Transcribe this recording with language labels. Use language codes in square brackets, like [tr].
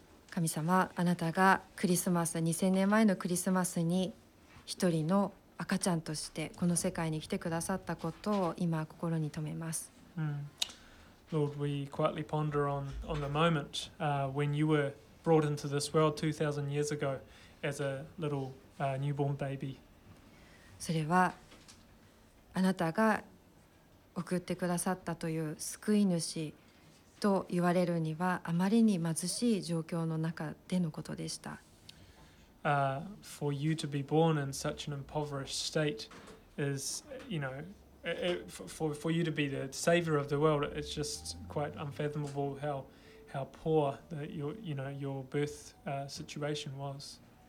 [ja] 神様、あなたがクリスマス、2000年前のクリスマスに一人の赤ちゃんとしてこの世界に来てくださったことを今心に留めます。 [en] Lord, we quietly ponder on the moment when you were brought into this world 2000 years ago as a little newborn baby. [ja] それはあなたが送ってくださったという救い主と言われるにはあまりに貧しい状況の中でのことでした。 [en] For you to be born in such an impoverished state is, you know, for you to be the savior of the world, it's just quite unfathomable how poor that your birth situation was.